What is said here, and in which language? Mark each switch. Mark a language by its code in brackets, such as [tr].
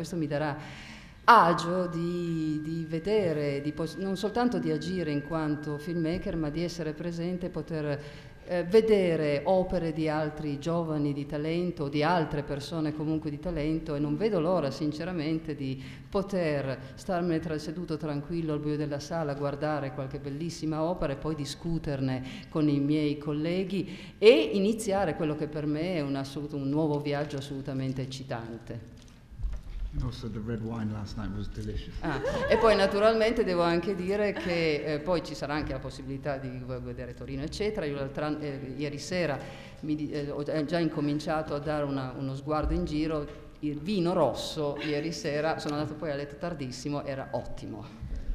[it] Questo mi darà agio di vedere, non soltanto di agire in quanto filmmaker, ma di essere presente e poter vedere opere di altri giovani di talento, di altre persone comunque di talento, e non vedo l'ora sinceramente di poter starmene seduto tranquillo al buio della sala, guardare qualche bellissima opera e poi discuterne con i miei colleghi e iniziare quello che per me è un nuovo viaggio assolutamente eccitante. [en] Also the red wine last night was delicious. [it] Ah, e poi naturalmente devo anche dire che poi ci sarà anche la possibilità di vedere Torino eccetera. Io ieri sera ho già incominciato a dare uno sguardo in giro. Il vino rosso ieri sera, sono andato poi a letto tardissimo, era ottimo.